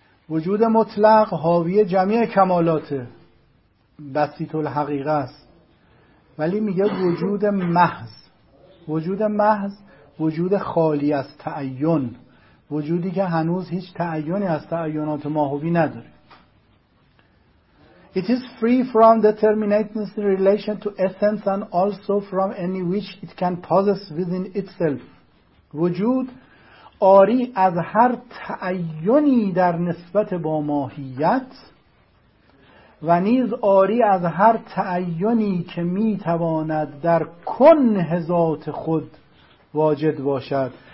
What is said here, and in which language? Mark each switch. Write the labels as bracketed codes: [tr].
[fa] وجود مطلق حاوی جمیع کمالاته، بسیط الحقیقه است، ولی میگه وجود محض، وجود محض وجود خالی از تعین، وجودی که هنوز هیچ تعینی از تعینات ماهوی نداره. [en] It is free from determinateness in relation to essence and also from any which it can possess within itself. [fa] وجود آری از هر تعینی در نسبت با ماهیت و نیز آری از هر تعینی که می تواند در کنه ذات خود واجد باشد.